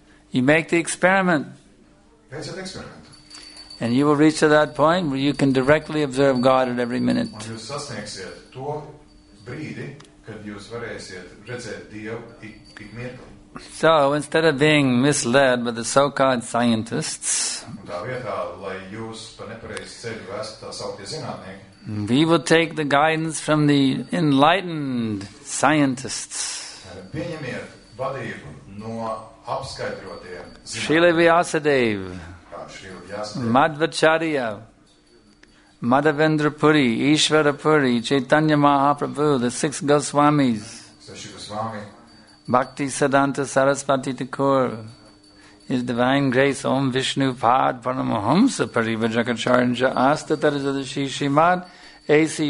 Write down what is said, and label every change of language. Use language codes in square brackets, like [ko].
[en] You make the experiment. It's an experiment. And you will reach to that point where you can directly observe God at every minute. [lv] Un jūs sasniegsiet to brīdi, kad jūs varēsiet redzēt Dievu ik mirkli. [en] So, instead of being misled by the so-called scientists, [lv] un tā vietā, lai jūs pa nepareizu ceļu vestu tā sauktie zinātnieki, [en] we will take the guidance from the enlightened scientists. [lv] Pieņemiet vadību no [en] Srila Vyasadeva, Madhvacharya, Madhavendra Puri, Ishvara Puri, Chaitanya Mahaprabhu, the six Goswamis, Bhakti Siddhanta Sarasvati Thakur, His Divine Grace, Om Vishnu Pad Paramahamsa Parivajakacharya Astatarajadashi Srimad, A.C.